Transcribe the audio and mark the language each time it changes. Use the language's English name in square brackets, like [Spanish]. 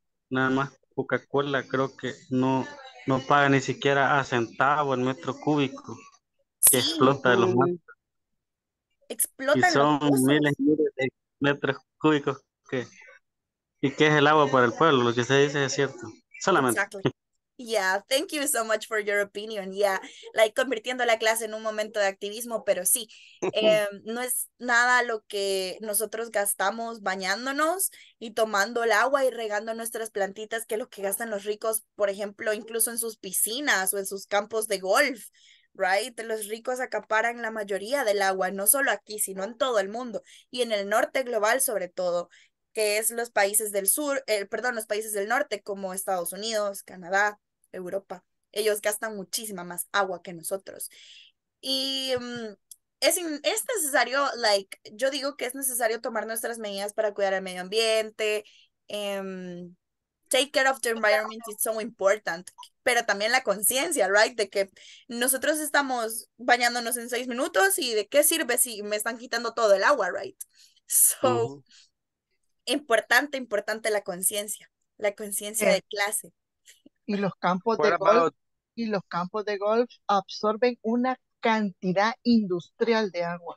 [Spanish] Nada más Coca-Cola creo que no paga ni siquiera a centavo el metro cúbico que explota de los mantos. Explota. Y son miles de metros cúbicos que, y que es el agua para el pueblo, lo que usted dice es cierto. Solamente. [English] Exactly. Yeah, thank you so much for your opinion. Yeah, like [Spanish] convirtiendo la clase en un momento de activismo, pero sí, no es nada lo que nosotros gastamos bañándonos y tomando el agua y regando nuestras plantitas que es lo que gastan los ricos, por ejemplo, incluso en sus piscinas o en sus campos de golf, right? Los ricos acaparan la mayoría del agua, no solo aquí, sino en todo el mundo y en el norte global sobre todo. Que es los países del sur, perdón, los países del norte, como Estados Unidos, Canadá, Europa. Ellos gastan muchísima más agua que nosotros. Y es necesario, yo digo que es necesario tomar nuestras medidas para cuidar el medio ambiente. [English] Take care of the environment is so important. [Spanish] Pero también la conciencia, right? De que nosotros estamos bañándonos en 6 minutos y de qué sirve si me están quitando todo el agua, right? So... Uh-huh. Importante, importante la conciencia de clase. Y los campos de golf, y los campos de golf absorben una cantidad industrial de agua.